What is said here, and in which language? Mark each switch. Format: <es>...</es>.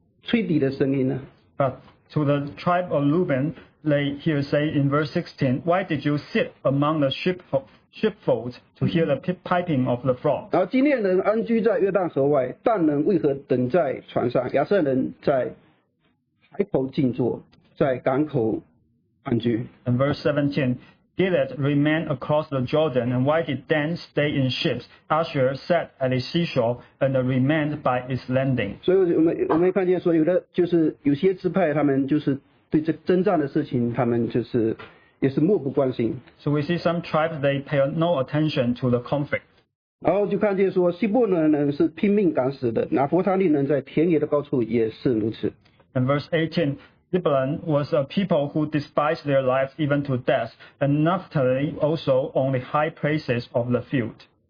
<en>But to the tribe of Reuben, they here say in verse 16, why did you sit among the sheepfold to hear the piping of the frog?</en> <zh>然后基列人安居在约旦河外，但人为何等在船上？亚瑟人在海口静坐，在港口安居。</zh> <en>And verse 17, Gilead remained across the Jordan, and why did Dan stay in ships? Asher sat at a seashore and remained by its landing.</en> <zh>所以我们看见说，有的就是有些支派，他们就是对这征战的事情，他们就是。</zh> <en>So we see some tribes, they pay no attention to the conflict.</en> <zh>然后就看见说,西伯伦人是拼命赶死的,</zh> <en>and verse 18, Zebulun was a people who despised their lives even to death, and Naphtali also on the high places of the field.</en>